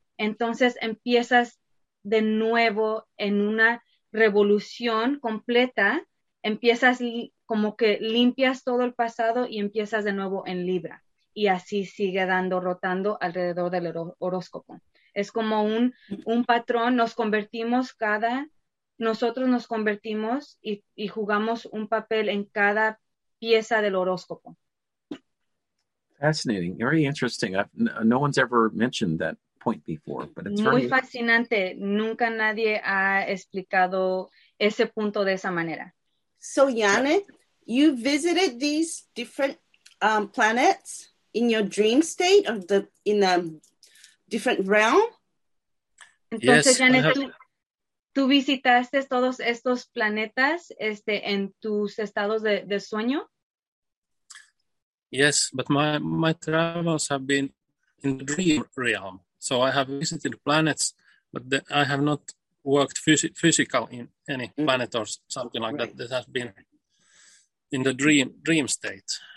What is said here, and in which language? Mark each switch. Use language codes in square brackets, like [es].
[es] Entonces empiezas de nuevo en una revolución completa, empiezas como que limpias todo el pasado y empiezas de nuevo en Libra. Y así sigue dando, rotando alrededor del horóscopo. Es como un patrón, nos convertimos cada, nosotros nos convertimos y jugamos un papel en cada pieza del horóscopo. [en] Fascinating, very interesting. No one's ever mentioned that point before, but it's [es] muy [en] very [es] fascinante. Nunca nadie ha explicado ese punto de esa manera. [en] So, Yane, you visited these different planets in your dream state of the in a different realm. [es] Entonces, yes, Janet, ¿tú visitaste todos estos planetas en tus estados de sueño? [en] Yes, but my travels have been in the dream realm. So I have visited planets, but I have not worked physical in any planet or something like right. that. That has been in the dream state.